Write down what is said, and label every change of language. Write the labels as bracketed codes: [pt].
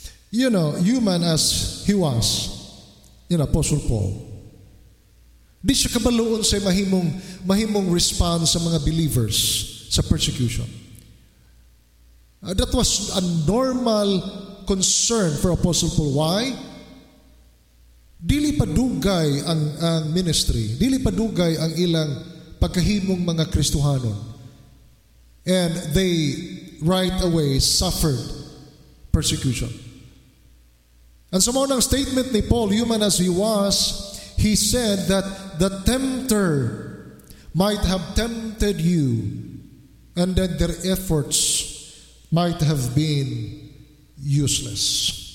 [en] You know, human as he was, you know, Apostle Paul, [ceb] di siya kabaloon sa mahimong response sa mga believers sa persecution. [en] That was a normal concern for Apostle Paul. Why? [ceb] Dili padugay ang ministry. Dili padugay ang ilang pagkahimong mga Kristuhanon. [en] And they right away suffered persecution. And [ceb] sa mga [en] statement ni Paul, human as he was, he said that the tempter might have tempted you and that their efforts might have been useless.